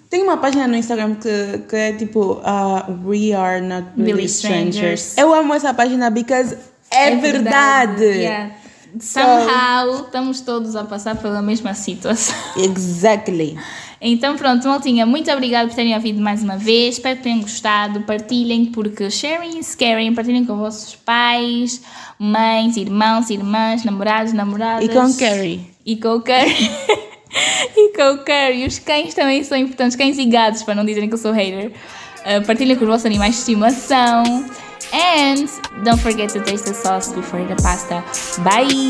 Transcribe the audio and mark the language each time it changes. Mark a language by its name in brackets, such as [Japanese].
[Portuguese] Tem uma página no Instagram que é tipo We Are Not Really Strangers. Eu amo essa página [English] because [Portuguese] é verdade. [English] Yeah. Somehow, [Portuguese] estamos todos a passar pela mesma situação. [English] Exactly. [Portuguese] Então pronto, maltinha, muito obrigada por terem ouvido mais uma vez. Espero que tenham gostado. Partilhem, porque [English] sharing is caring. [Portuguese] Partilhem com vossos pais, mães, irmãos, irmãs, namorados, namoradas. E com Carrie. E com Carrie. E com o Curry, os cães também são importantes, cães e gatos, para não dizerem que eu sou hater. Partilhem com os vossos animais de estimação. [English] And don't forget to taste the sauce before the pasta. Bye!